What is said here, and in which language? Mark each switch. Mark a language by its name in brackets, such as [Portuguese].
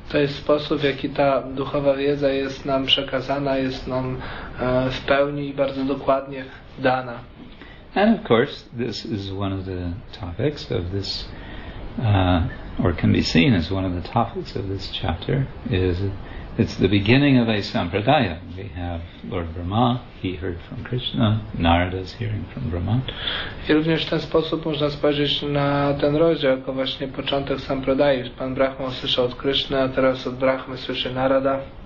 [Polish] To jest sposób, w jaki ta duchowa wiedza jest nam przekazana, jest nam w pełni i bardzo dokładnie dana. [English] And of course, this is one of the topics of this, or can be seen as one of the topics of this chapter, is it's the beginning of a sampradaya. We have Lord Brahma, he heard from Krishna, Narada's hearing from Brahma. [Polish] I również w ten sposób można spojrzeć na ten rozdział jako właśnie początek sampradaya. Pan Brahma usłyszał od Krishna, a teraz od Brahmy słyszy Narada.